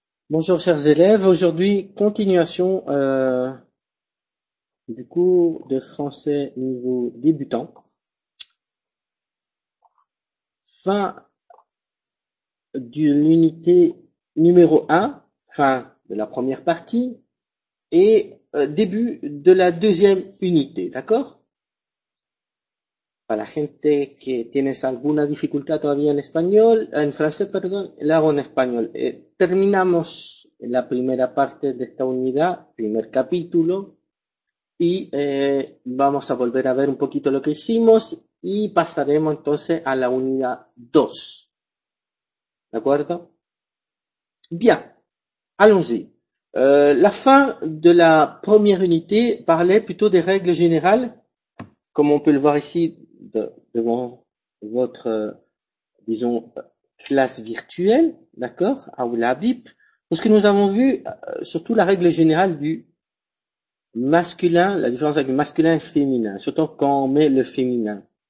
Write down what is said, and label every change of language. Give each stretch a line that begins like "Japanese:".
French: Bonjour chers élèves, aujourd'hui continuation du cours de français niveau débutant. Fin de l'unité numéro 1, fin de la première partie et début de la deuxième unité, d'accord?
Spanish: Para la gente que tienes alguna dificultad todavía en español, en francés, perdón, la hago en español. Terminamos la primera parte de esta unidad, primer capítulo, y vamos a volver a ver un poquito lo que hicimos y pasaremos entonces a la unidad 2. ¿De acuerdo? Bien,
French: allons-y. La fin de la première unité parlait plutôt des règles générales, comme on peut le voir ici. Devant votre, disons, classe virtuelle, d'accord, Aula VIP, parce que nous avons vu surtout la règle générale du masculin, la différence avec masculin et féminin, surtout quand on met le féminin.